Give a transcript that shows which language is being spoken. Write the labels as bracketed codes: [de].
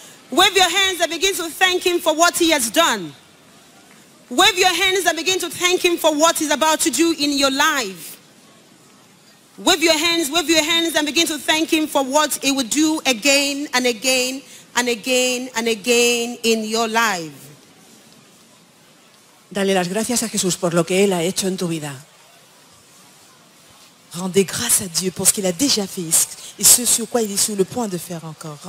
[en] Wave your hands and begin to thank him for what he has done. Wave your hands and begin to thank him for what he's about to do in your life. Wave your hands and begin to thank him for what he will do again and again and again and again in your life. [es] Dale las gracias a Jesús por lo que él ha hecho en tu vida. [fr] Rendez grâce à Dieu pour ce qu'il a déjà fait et ce sur quoi il est sur le point de faire encore.